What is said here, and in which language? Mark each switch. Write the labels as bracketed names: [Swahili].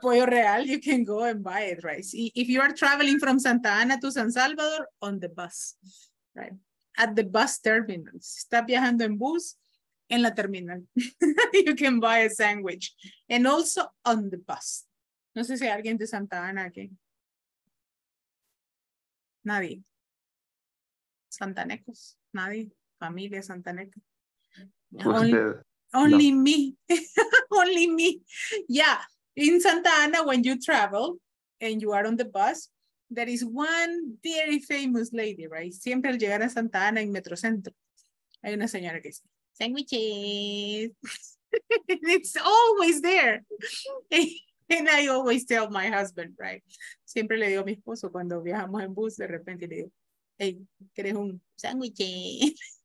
[English] Pollo Real, you can go and buy it, right? If you are traveling from Santa Ana to San Salvador, on the bus, right? At the bus terminals. [Spanish] Está viajando en bus. En la terminal, [English] you can buy a sandwich and also on the bus. [Spanish] No sé si hay alguien de Santa Ana aquí. Nadie. Santanecos. Nadie. Familia Santaneca. [English] Only me. Yeah. In Santa Ana, when you travel and you are on the bus, there is one very famous lady, right? [Spanish] Siempre al llegar a Santa Ana en Metrocentro, hay una señora que dice, sandwiches. [English] It's always there. And I always tell my husband, right? [Spanish] Siempre le digo a mi esposo cuando viajamos en bus, de repente le digo, hey, ¿quieres un sandwich?